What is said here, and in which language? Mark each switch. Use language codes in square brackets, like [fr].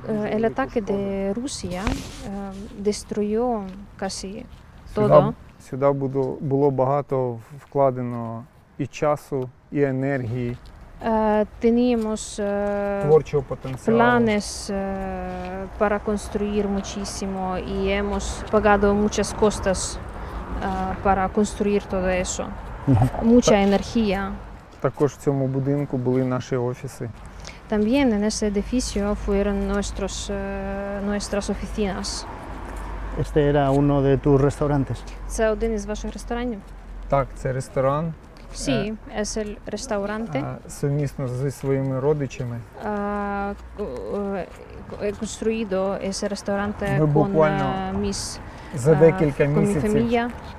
[es] El ataque de Rusia destruyó casi todo. [uk] Сюди було багато вкладено і часу, і енергії. [es] Teníamos [uk] творчого потенціалу. [es] Planes para construir muchísimo y hemos pagado muchas costas para construir todo eso. Mucha energía. [uk] Також в цьому будинку були наші офіси. [es] También en ese edificio fueron nuestros nuestras oficinas. Este era uno de tus restaurantes. [uk] Це один із ваших ресторанів? Так, це ресторан. [es] Sí, es el restaurante. [uk] Совмісно зі своїми родичами. [es] He construido ese restaurante con mis [uk] за декілька місяців.